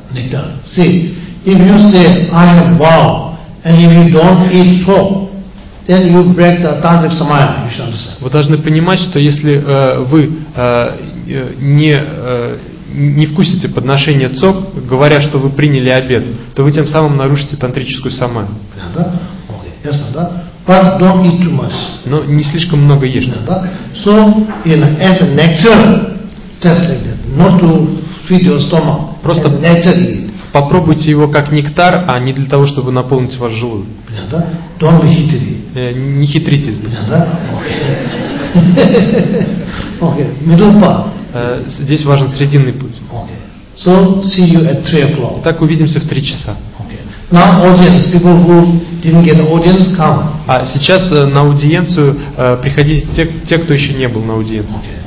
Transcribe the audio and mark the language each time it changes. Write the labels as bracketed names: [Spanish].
[English] See, if you say I have vow and if you don't eat цок, then you break the tantric samaya, you should understand. [Russian] Вы должны понимать, что если вы не вкусите подношение цок, говоря, что вы приняли обет, то вы тем самым нарушите тантрическую самаю. Ясно, да? [English] But don't eat too much. [Russian] Но не слишком много ешь. Да? [English] So, you know, as a nectar, just like that. Not to feed your stomach. [Russian] Просто [English] as a nectar eat. [Russian] попробуйте его как нектар, а не для того, чтобы наполнить ваш желудок. Понятно? [English] Don't be hitty. [Russian] Не хитрите. Понятно? Окей. Окей. [English] Middle path. [Russian] Здесь важен срединный путь. Окей. [English] So, see you at 3 o'clock. [Russian] Итак, увидимся в 3 часа. Окей. [English] Now, audience, people who didn't get audience, come. [Russian] А сейчас на аудиенцию приходите те, кто еще не был на аудиенции.